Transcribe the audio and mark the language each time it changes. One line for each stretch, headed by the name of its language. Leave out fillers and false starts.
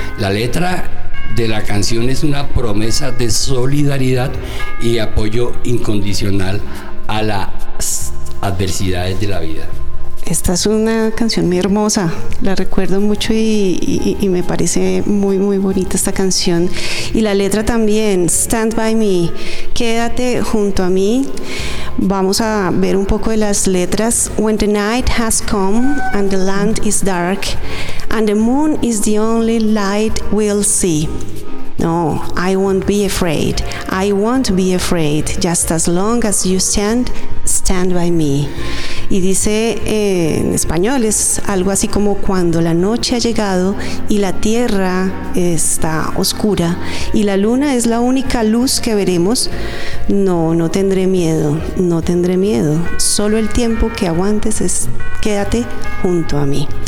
Spanish: La letra de la canción es una promesa de solidaridad y apoyo incondicional a las adversidades de la vida. Esta es una canción muy hermosa, la recuerdo mucho y me parece muy muy bonita esta canción. Y la letra también, Stand By Me, quédate junto a mí. Vamos a ver un poco de las letras.
English: When the night has come and the land is dark and the moon is the only light we'll see. No, I won't be afraid. I won't be afraid. Just as long as you stand, stand by me.
Spanish: Y dice en español, es algo así como cuando la noche ha llegado y la tierra está oscura y la luna es la única luz que veremos, no, no tendré miedo, no tendré miedo. Solo el tiempo que aguantes es quédate junto a mí.